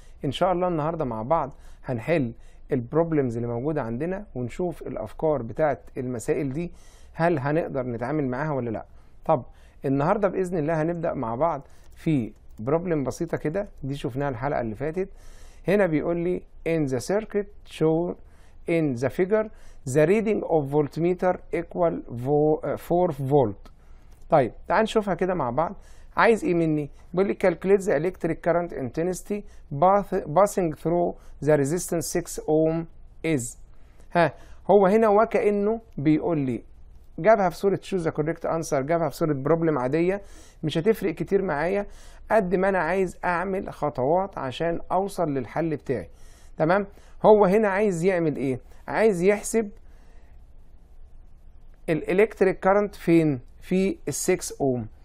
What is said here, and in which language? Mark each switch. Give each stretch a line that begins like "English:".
Arabic: إن شاء الله النهاردة مع بعض هنحل البروبلمز اللي موجودة عندنا ونشوف الأفكار بتاعت المسائل دي هل هنقدر نتعامل معاها ولا لأ. طب النهاردة بإذن الله هنبدأ مع بعض في بروبلم بسيطة كده، دي شفناها الحلقة اللي فاتت. هنا بيقول لي
English: in the circuit show in the figure the reading of voltmeter equal 4 volt.
Arabic: طيب تعال نشوفها كده مع بعض. عايز ايه مني؟ بيقول لي
English: calculate the electric current intensity passing through the resistance 6 ohm is.
Arabic: ها هو هنا وكأنه بيقول لي جابها في صورة
English: show the correct answer,
Arabic: جابها في صورة بروبلم عادية، مش هتفرق كتير معايا قد ما انا عايز اعمل خطوات عشان اوصل للحل بتاعي. تمام؟ هو هنا عايز يعمل ايه؟ عايز يحسب الالكتريك كارنت فين؟ في ال 6 اوم.